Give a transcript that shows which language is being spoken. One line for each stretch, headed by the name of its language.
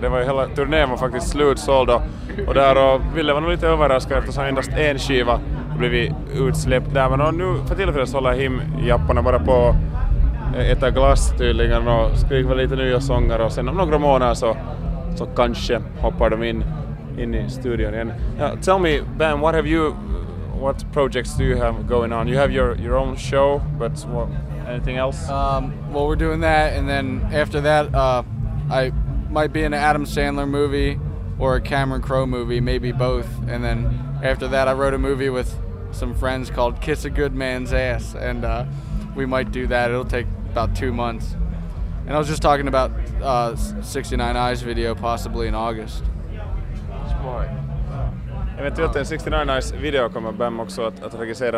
Swedish: Det var ju hela turnén var faktiskt slutsåld. Och där och Ville var nog lite överraskad eftersom endast en skiva blev utsläppt där. Men nu för tillfället så håller Him-japparna bara på äta glass tydligen och skriva lite nya sånger. Och sen om några månader så kanske hoppar de in i studion igen.
English: Tell me, Ben, what have you... What projects do you have going on? You have your own show, but what, anything else? Well, we're doing that, and then after that, I might be in an Adam Sandler movie, or a Cameron Crowe movie, maybe both. And then after that, I wrote a movie with some friends called Kiss a Good Man's Ass, and we might do that. It'll take about 2 months. And I was just talking about 69 Eyes video, possibly in August. Smart.
Swedish: Eventuellt en 69 Eyes video kommer Bam också att regissera.